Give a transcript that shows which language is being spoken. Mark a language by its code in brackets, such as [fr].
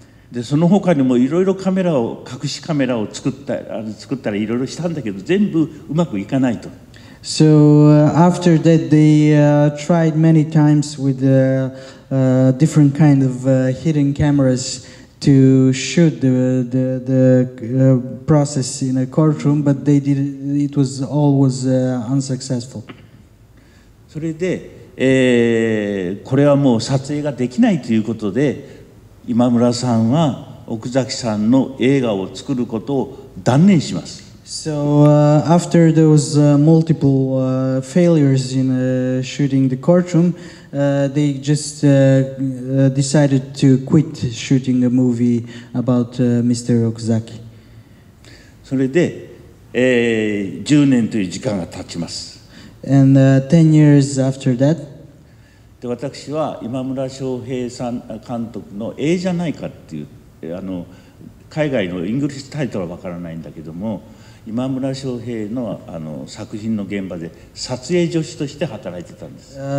[ja] でその他にもいろいろカメラを隠しカメラを作ったらいろいろしたんだけど全部うまくいかないと。 [en] So after that they tried many times with different kind of hidden cameras to shoot the process in a courtroom, but they did it was always unsuccessful. [ja] それで、これはもう撮影ができないということで。今村さんは奥崎さんの映画を作ることを断念します。 [en] So, after those multiple failures in shooting the courtroom, they just decided to quit shooting a movie about Mr. Okuzaki. [ja] それで、10年という時間が経ちます。 [en] And 10 years after that, [ja] で私は今村翔平さん監督の A じゃないかっていうあの海外のイングリッシュタイトルは分からないんだけども今村翔平 の, あの作品の現場で撮影助手として働いてたんです。